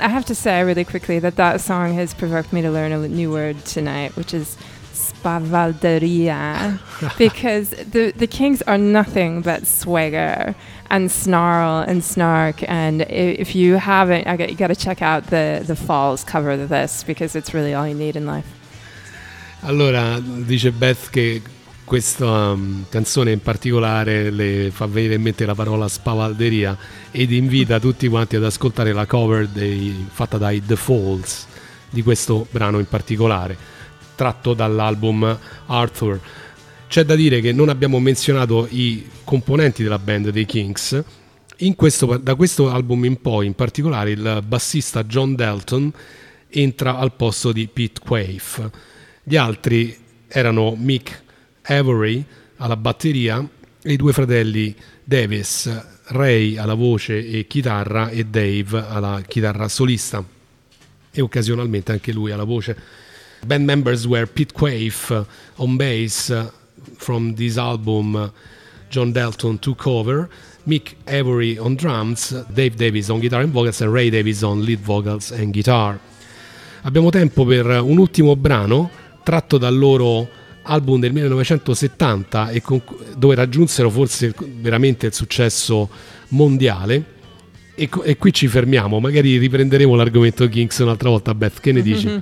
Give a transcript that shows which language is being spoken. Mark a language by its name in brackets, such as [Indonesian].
[English] I have to say really quickly that that song has provoked me to learn a new word tonight, which is spavalderia, because the Kinks are nothing but swagger and snarl and snark. And if you haven't, you got to check out the Falls cover of this, because it's really all you need in life. [Italian] Allora, dice Beth che questa canzone in particolare le fa venire in mente la parola spavalderia ed invita tutti quanti ad ascoltare la cover fatta dai The Falls di questo brano in particolare, tratto dall'album Arthur. C'è da dire che non abbiamo menzionato i componenti della band dei Kinks. Da questo album in poi, in particolare, il bassista John Dalton entra al posto di Pete Quaife. Gli altri erano Mick Avery alla batteria e i due fratelli Davis, Ray alla voce e chitarra e Dave alla chitarra solista e occasionalmente anche lui alla voce. [English] Band members were Pete Quaife on bass from this album, John Dalton took over, Mick Avery on drums, Dave Davis on guitar and vocals and Ray Davis on lead vocals and guitar. [Italian] Abbiamo tempo per un ultimo brano tratto dal loro album del 1970 e dove raggiunsero forse veramente il successo mondiale. E qui ci fermiamo, magari riprenderemo l'argomento Kinks un'altra volta, Beth, che ne dici?